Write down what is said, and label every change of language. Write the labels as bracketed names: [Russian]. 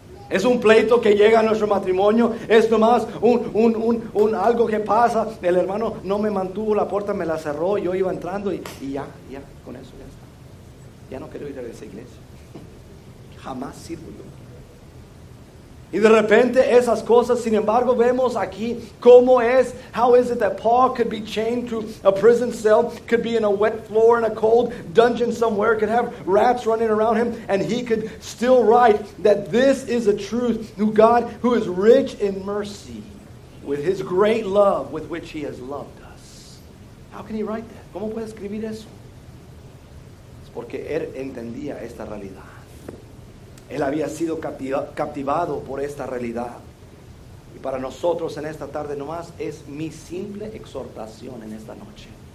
[Spanish] Es un pleito que llega a nuestro matrimonio. Es nomás un algo que pasa. El hermano no me mantuvo la puerta, me la cerró. Yo iba entrando y ya, con eso ya está. Ya no quiero ir a esa iglesia. Jamás sirvo yo. Y de repente esas cosas, sin embargo, vemos aquí cómo es, [English] how is it that Paul could be chained to a prison cell, could be in a wet floor in a cold dungeon somewhere, could have rats running around him, and he could still write that this is a truth, who God, who is rich in mercy, with his great love with which he has loved us. How can he write that? [Spanish] ¿Cómo puede escribir eso? Es porque él entendía esta realidad. Él había sido captivado por esta realidad. Y para nosotros en esta tarde nomás es mi simple exhortación en esta noche.